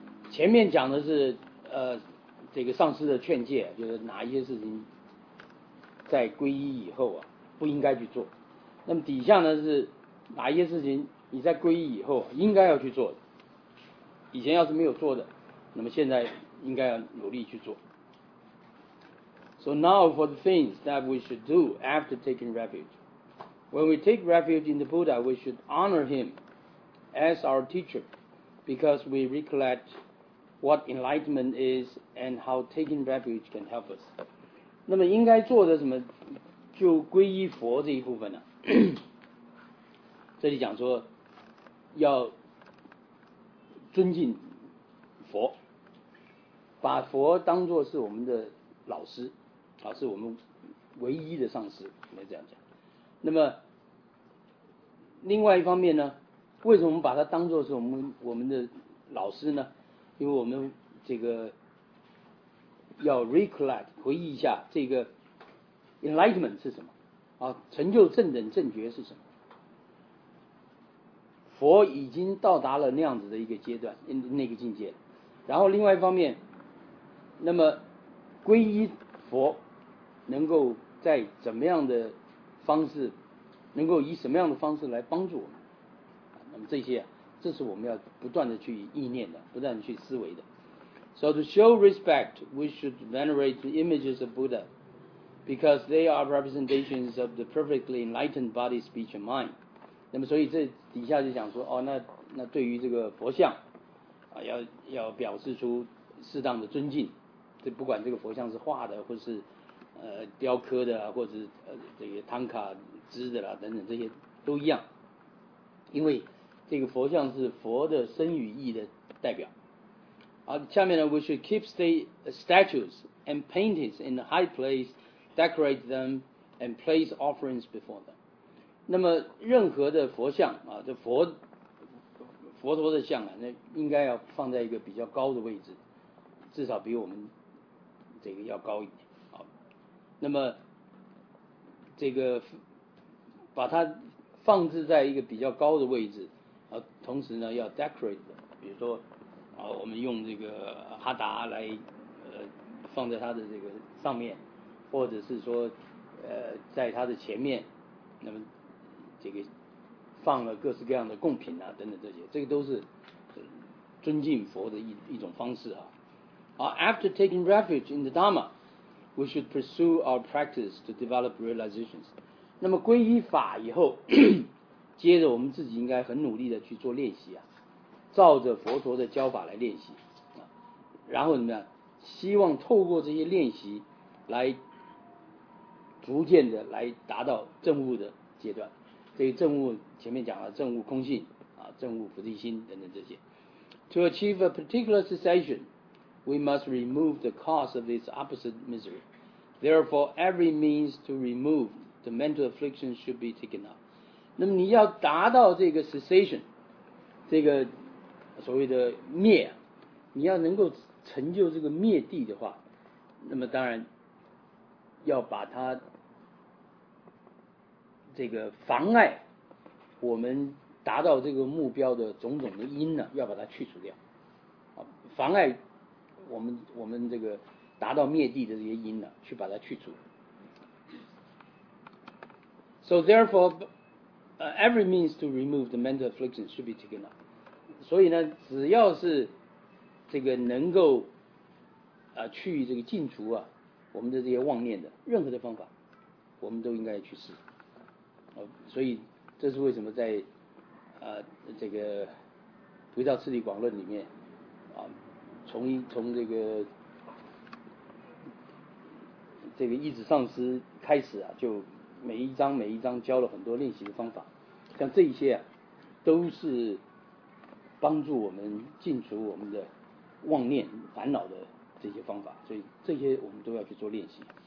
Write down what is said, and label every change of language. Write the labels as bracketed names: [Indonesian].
[Chinese] 前面讲的是这个上师的劝诫，就是哪一些事情在皈依以后啊不应该去做，那么底下呢是哪一些事情你在皈依以后应该要去做的，以前要是没有做的，那么现在应该要努力去做。 [English] So now for the things that we should do after taking refuge. When we take refuge in the Buddha, we should honor him as our teacher because we recollect what enlightenment is and how taking refuge can help us. [Chinese] 那么应该做的什么，就皈依佛这一部分呢、啊、这里讲说要尊敬佛，把佛当作是我们的老师，老师我们唯一的上师，应该这样讲。那么另外一方面呢，为什么把它当作是我们的老师呢？因为我们这个要 recollect 回忆一下这个 enlightenment 是什么啊，成就正等正觉是什么。佛已经到达了那样子的一个阶段，那个境界。然后另外一方面，那么皈依佛能够在怎么样的方式，能够以什么样的方式来帮助我们，那么这些、啊、这是我们要不断的去意念的，不断的去思维的。 [English] So to show respect we should venerate the images of Buddha because they are representations of the perfectly enlightened body, speech and mind。 [Chinese] 那么所以这底下就讲说，哦，那对于这个佛像啊，要表示出适当的尊敬，这不管这个佛像是画的或是雕刻的，或者这个唐卡织的啦等等，这些都一样，因为这个佛像是佛的身与意的代表。好，下面呢 [English] we should keep statues and paintings in a high place, decorate them and place offerings before them。 [Chinese] 那么任何的佛像啊，这佛陀的像啊，那应该要放在一个比较高的位置，至少比我们这个要高一点。好，那么这个把它放置在一个比较高的位置啊，同时呢要 decorate 的，比如说啊，我们用这个哈达来放在它的这个上面，或者是说在它的前面，那么这个放了各式各样的贡品啊等等，这些这个都是尊敬佛的一种方式啊。 [English] After taking refuge in the Dharma, we should pursue our practice to develop realizations. [Chinese] 那么皈依法以后，接着我们自己应该很努力的去做练习啊，照着佛陀的教法来练习啊，然后怎么样，希望透过这些练习来逐渐的来达到证悟的阶段。这个证悟前面讲了，证悟空性啊，证悟菩提心等等这些。 [English] To achieve a particular cessation, we must remove the cause of its opposite misery. Therefore, every means to remove the mental affliction should be taken up. [Chinese] 那么你要达到这个 cessation, 这个所谓的灭，你要能够成就这个灭谛的话，那么当然要把它这个妨碍我们达到这个目标的种种的因呢，要把它去除掉啊，妨碍我们这个达到灭谛的这些因呢，去把它去除。 [English] So therefore, every means to remove the mental affliction should be taken up. [Chinese] 所以呢，只要是这个能够去这个净除啊我们的这些妄念的任何的方法，我们都应该去试。所以这是为什么在这个回到次第广论里面啊，从这个义子上师开始啊，就每一章教了很多练习的方法，像这一些啊都是帮助我们净除我们的妄念烦恼的这些方法，所以这些我们都要去做练习。